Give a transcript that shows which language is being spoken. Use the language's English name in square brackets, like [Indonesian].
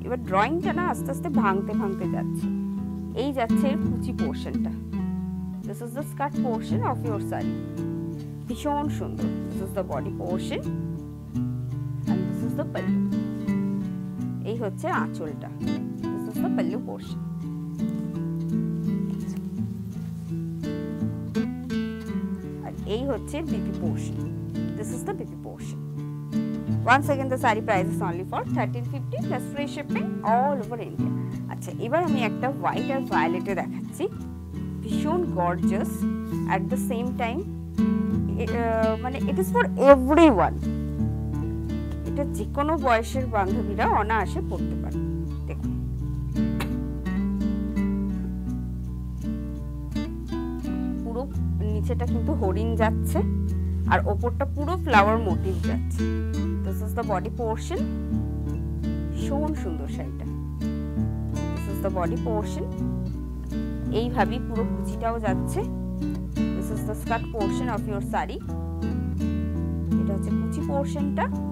[Bangla] এবার ড্রয়িংটা না আস্তে আস্তে ভাঙতে ভাঙতে যাচ্ছে, এই যাচ্ছে এর কুচি পোর্শনটা, [English] this is the skirt portion of your sari, [Bangla] ভীষণ সুন্দর, [English] this is the body portion and this is the pallu, [Bangla] এই হচ্ছে আঁচলটা, [English] This is the pallu portion. [Bangla] আর এই হচ্ছে BP portion, [English] This is the BP portion. Once again, the saree price is only for 1350 plus free shipping all over India. [Bangla] আচ্ছা এবার আমি একটা white আর ভায়োলেটে দেখাচ্ছি, ভীষণ gorgeous, [English] at the same time মানে it is for everyone, [Bangla] এটা যে কোনো বয়সের বান্ধবীরা অনায়াসে পড়তে পারে। দেখুন পুরো নিচেটা কিন্তু হরিণ যাচ্ছে আর ওপরটা পুরো ফ্লাওয়ার মোটিভ যাচ্ছে, [English] this is the body portion, [Bangla] ভীষণ সুন্দর শাড়িটা, [English] this is the body portion, এইভাবেই পুরো কুচিটাও যাচ্ছে, this is the skirt portion of your sari, [Bangla] এটা হচ্ছে কুচি পোর্শনটা,